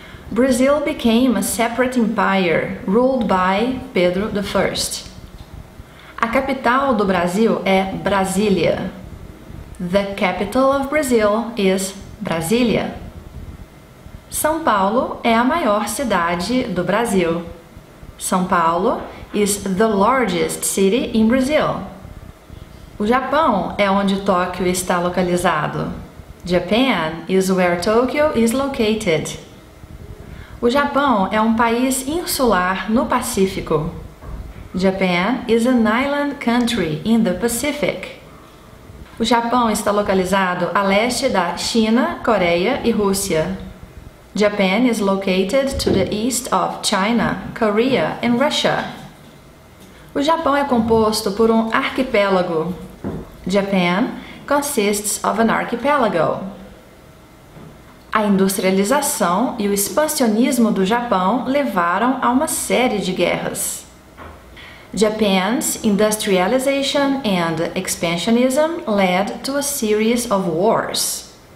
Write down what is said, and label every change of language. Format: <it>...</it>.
<en>Brazil became a separate empire ruled by Pedro I.</en> <pt>A capital do Brasil é Brasília.</pt> <en>The capital of Brazil is Brasília.</en> <pt>São Paulo é a maior cidade do Brasil.</pt> <en>São Paulo is the largest city in Brazil.</en> <pt>O Japão é onde Tóquio está localizado.</pt> <en>Japan is where Tokyo is located.</en> <pt>O Japão é um país insular no Pacífico.</pt> <en>Japan is an island country in the Pacific.</en> <pt>O Japão está localizado a leste da China, Coreia e Rússia.</pt> <en>Japan is located to the east of China, Korea and Russia.</en> <pt>O Japão é composto por um arquipélago.</pt> <en>Japan consists of an archipelago.</en> <pt>A industrialização e o expansionismo do Japão levaram a uma série de guerras.</pt> <en>Japan's industrialization and expansionism led to a series of wars.</en>